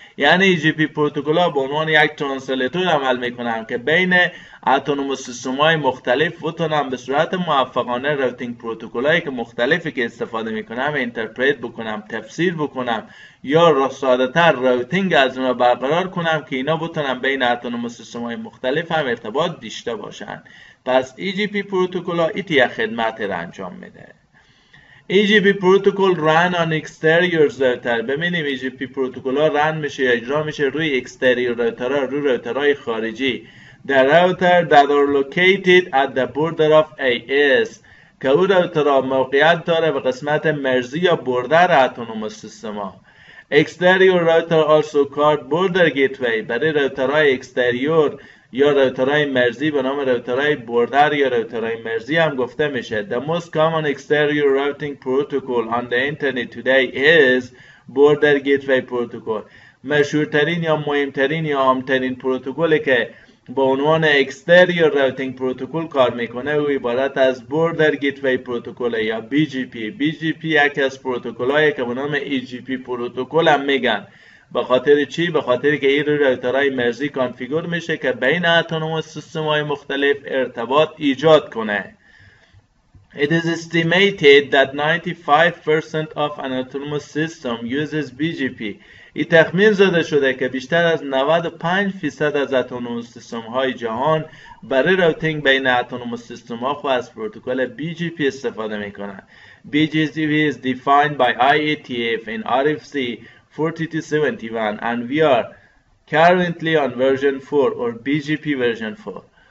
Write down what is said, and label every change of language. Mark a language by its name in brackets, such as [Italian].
[Persian] یعنی EGP پروتکل ها به عنوان یک ترانسلیتور عمل میکنن که بین اتونوموس سیستم های مختلف بتونن به صورت موفقانه روتینگ پروتکل هایی که مختلفی که استفاده میکنم انترپریت بکنم، تفسیر بکنم، یا ساده تر روتینگ از اونها برقرار کنم که اینا بتونن بین اتونوموس سیستم های مختلف هم ارتباط داشته باشن. پس EGP پروتکل ها ایتی خدمت را انجام میده. [English] EGP protocol run on exterior router. [Persian] ببینیم EGP protocol ها run میشه یا اجرا میشه روی exterior router ها، روی router های خارجی. [English] The router that are located at the border of AS. [Persian] که او router ها موقعیت داره به قسمت مرزی یا border autonomous system ها. [English] Exterior router also called border gateway. [Persian] برای router های exterior یا روترهای مرزی به نام روترهای بوردر یا روترهای مرزی هم گفته میشه. [English] The most common exterior routing protocol on the internet today is border gateway protocol. [Persian] مشهورترین یا مهمترین یا عامترین پروتکلی که به عنوان exterior routing protocol کار میکنه و عبارت از border gateway protocol یا BGP. BGP یکی از پروتکل هایی که به نام EGP protocol هم میگن. به خاطر چی؟ به خاطر که این روترهای مرزی کانفیگور میشه که بین اتونوموس سیستم های مختلف ارتباط ایجاد کنه. [English] It is estimated that 95% of an autonomous system uses BGP. [Persian] این تخمین زده شده که بیشتر از 95% از اتونوموس سیستم های جهان برای روتینگ بین اتونوموس سیستم ها خود از پروتکل BGP استفاده میکنن. [English] BGP is defined by IATF in RFC 4271 and we are currently on version 4 or BGP version 4.